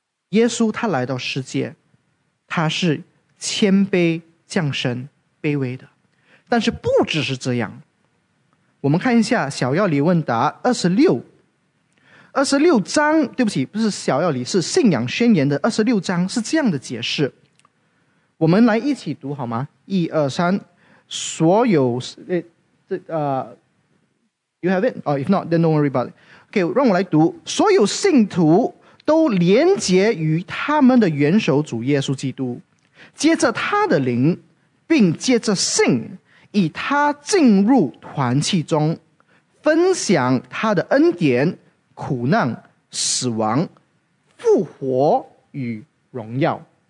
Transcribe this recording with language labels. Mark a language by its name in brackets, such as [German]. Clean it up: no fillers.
[Chinese] 耶稣他来到世界，他是谦卑降生卑微的。但是不只是这样，我们看一下小药理问答26章，对不起，不是小药理，是信仰宣言的26章，是这样的解释，我们来一起读好吗？ [English] 1、2、3， [Chinese] 所有 [English] You have it? Oh, if not, then don't worry about it. Okay, [Chinese] 让我来读。所有信徒都连结于他们的元首主耶稣基督，接着他的灵，并接着信，以他进入团契中，分享他的恩典、苦难、死亡、复活与荣耀。